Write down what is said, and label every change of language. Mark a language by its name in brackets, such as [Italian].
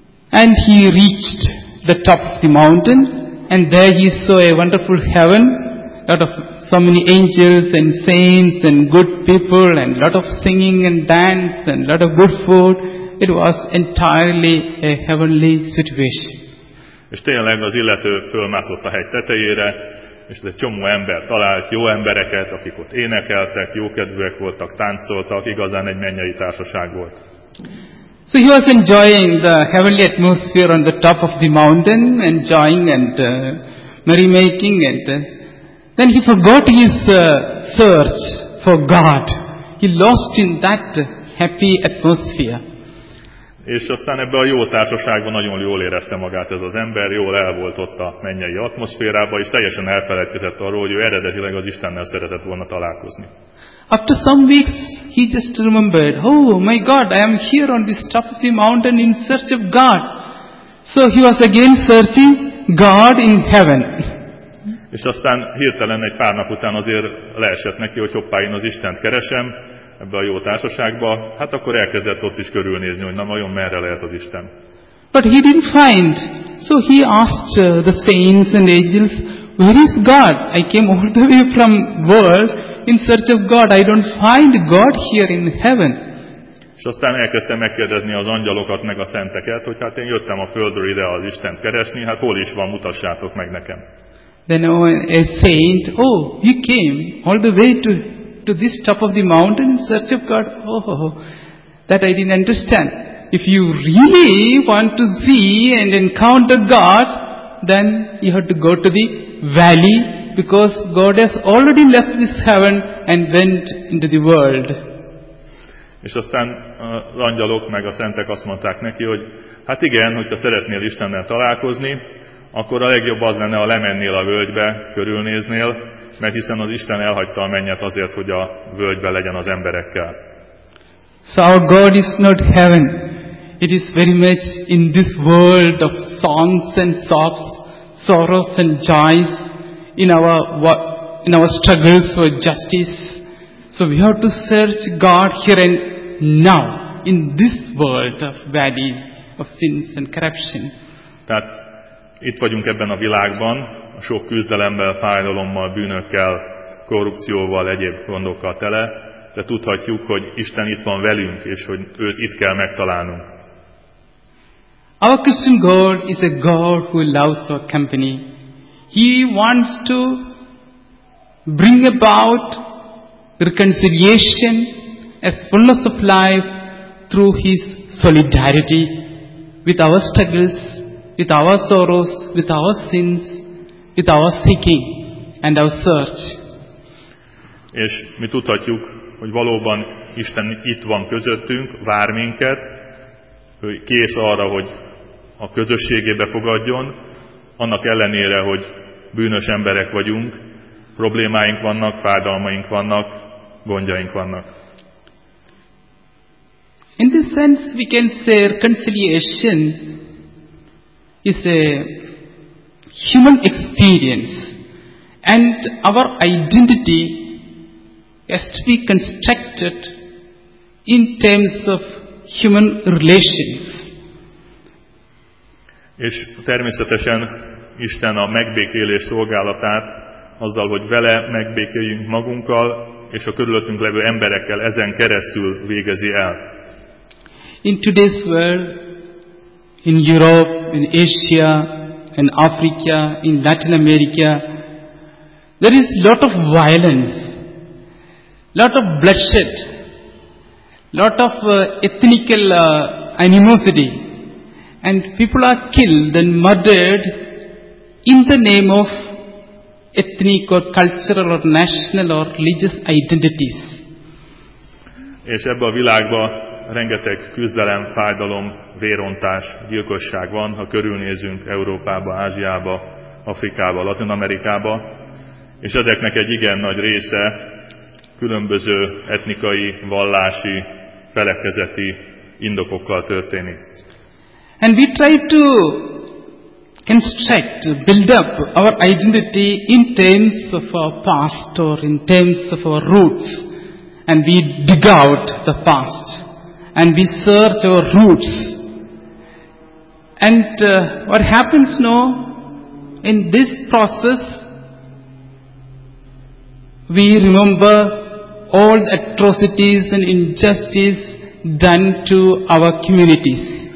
[English] And he reached the top of the mountain. And there he saw a wonderful heaven, lot of so many angels and saints and good people and lot of singing and dance and lot of good food. It was entirely a heavenly situation. [Hungarian] És tényleg az illető fölmászott a hegy tetejére, és egy csomó ember talált, jó embereket, akik ott énekeltek, jókedvűek voltak, táncoltak, igazán egy mennyei társaság volt. [English] So he was enjoying the heavenly atmosphere on the top of the mountain, enjoying and merrymaking, and then he forgot his search for God. He lost in that happy atmosphere. [Hungarian] És aztán ebben a jó társaságban nagyon jól érezte magát ez az ember, jól el volt ott a mennyei atmoszférában, és teljesen elfeledkezett arról, hogy ő eredetileg az Istennel szeretett volna találkozni. [English] After some weeks, he just remembered, oh my God, I am here on this top of the mountain in search of God. So he was again searching God in heaven. [Hungarian] És aztán hirtelen egy pár nap után azért leesett neki, hogy hoppá, én az Istent keresem ebbe a jó társaságba. Hát akkor elkezdett ott is körülnézni, hogy na vajon merre lehet az Isten. [English] But he didn't find. So he asked the saints and angels, where is God? I came all the way from world in search of God. I don't find God here in heaven. [Hungarian] És aztán elkezdtem megkérdezni az angyalokat meg a szenteket, hogy hát én jöttem a földről ide az Istent keresni, hát hol is van, mutassátok meg nekem. [English] Then a saint, oh, you came all the way to this top of the mountain in search of God. Oh, that I didn't understand. If you really want to see and encounter God, then you have to go to the valley, because God has already left this heaven and went into the world. [Hungarian] És aztán az angyalok meg a szentek azt mondták neki, hogy hát igen, hogyha szeretnél Istennel találkozni, akkor a legjobb az lenne, ha lemennél a völgybe, körülnéznél, mert hiszen az Isten elhagyta a mennyet azért, hogy a völgybe legyen az emberekkel. [English] So our God is not heaven. It is very much in this world of songs and sobs, sorrows and joys, in our struggles for justice. So we have to search God here and now, in this world of valley of sins and corruption. [Hungarian] Tehát itt vagyunk ebben a világban, a sok küzdelemmel, fájdalommal, bűnökkel, korrupcióval, egyéb gondokkal tele, de tudhatjuk, hogy Isten itt van velünk, és hogy őt itt kell megtalálnunk. [English] Our Christian God is a God who loves our company. He wants to bring about reconciliation as fullness of life through His solidarity with our struggles, with our sorrows, with our sins, with our seeking and our search. [Hungarian] És mi tudhatjuk, hogy valóban Isten itt van közöttünk, vár minket, hogy kész arra, hogy a közösségébe fogadjon, annak ellenére, hogy bűnös emberek vagyunk, problémáink vannak, fájdalmaink vannak, gondjaink vannak. [English] In this sense we can say reconciliation is a human experience and our identity has to be constructed in terms of human relations. [Hungarian] És természetesen Isten a megbékélés szolgálatát azzal, hogy vele megbékéljünk magunkkal és a körülöttünk levő emberekkel ezen keresztül végezi el. [English] In today's world, in Europe, in Asia, in Africa, in Latin America, there is lot of violence, lot of bloodshed, lot of ethnical animosity, and people are killed and murdered in the name of ethnic or cultural or national or religious identities. [Hungarian] És ebbe a világba rengeteg küzdelem, fájdalom, vérontás, gyilkosság van, ha körülnézünk Európába, Ázsiába, Afrikába, Latin Amerikába, és ezeknek egy igen nagy része különböző etnikai, vallási, felekezeti indokokkal történik. [English] And we try to construct, build up our identity in terms of our past or in terms of our roots, and we dig out the past. And we search our roots. And what happens now, in this process, we remember all the atrocities and injustice done to our communities.